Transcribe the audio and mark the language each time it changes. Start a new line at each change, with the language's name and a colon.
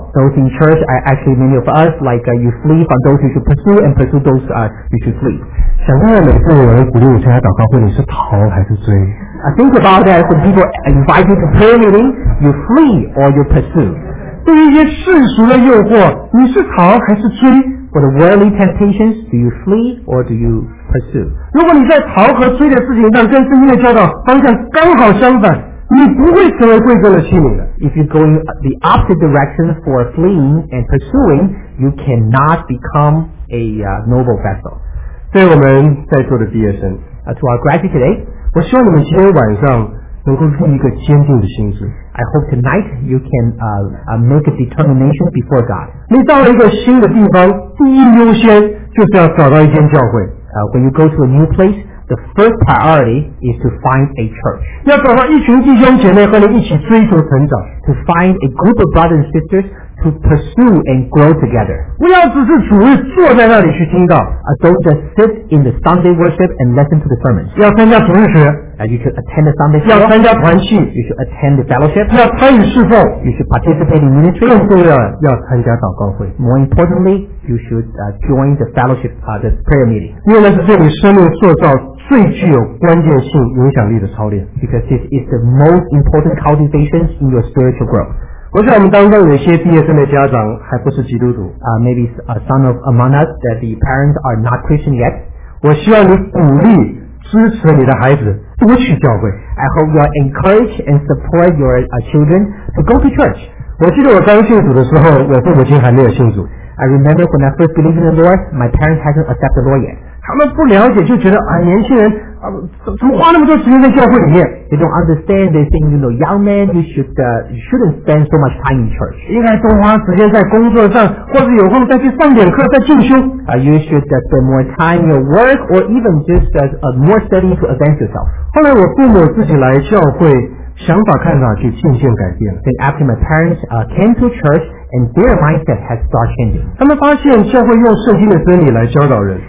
English: Those in church are actually many of us like you flee from those you should pursue and pursue those you should flee.
Chinese: 想问每次有人鼓励你参加祷告会你是逃还是追
English: Think about that when people invite you to prayer meeting you flee or you pursue.
Chinese: 对于一些世俗的诱惑，你是逃还是追？
English: For the worldly temptations, do you flee or do you pursue?
Chinese: 如果你在逃和追的事情上跟圣经的教导方向刚好相反，你不会成为贵重的器皿的。
English: If you're going the opposite direction for fleeing and pursuing, you cannot become a noble vessel.
Chinese: 对我们在座的毕业生
English: To our graduate today,
Chinese: 我希望你们今天晚上能够立一个坚定的心志。
English: I hope tonight you can make a determination before God.
Chinese: 你到了一个新的地方，第一优先就是要找到一间教会。
English: When you go to a new place,The first priority is to find a church.
Chinese: 要找到一群弟兄姐妹和你一起追求成长。
English: To find a group of brothers and sisters to pursue and grow together.
Chinese: 不要只是主日坐在那里去听道。
English: Don't just sit in the Sunday worship and listen to the sermons.
Chinese: 要参加主日时。
English: You should attend the Sunday.
Chinese: 要参加团契。
English: You should attend the fellowship.
Chinese: 要参与侍奉。
English: You should participate in ministry.
Chinese: 更重要的，要参加祷告会。
English: More importantly, you should join the fellowship, the prayer meeting.
Chinese: 因为那是对你生命塑造最具有关键性影响力的操练。
English: Because this is the most important cultivation in your spiritual growth.
Chinese: 我想我们当中有一些毕业生的家长还不是基督徒。
English: Maybe a son of among us that the parents are not Christian yet.
Chinese: 我希望你鼓励支持你的孩子多去教会。
English: I hope you encourage and support your children to go to church.
Chinese: 我记得我刚信主的时候，我父母亲还没有信主。
English: I remember when I first believed in the Lord, my parents hadn't accepted the Lord yet.
Chinese: 他们不了解就觉得啊，年轻人怎么花那么多时间在教会里面？
English: They don't understand. They think, you know, young man, you shouldn't spend so much time in church.
Chinese: 应该多花时间在工作上，或者有空再去上点课，再进修。
English: You should spend more time in your work, or even just more study to advance yourself.
Chinese: 后来我父母自己来教会，想法看法就渐渐改变了。
English: Then after my parents came to church. And their mindset has started changing.
Chinese: 他们发现教会用圣经的真理来教导人。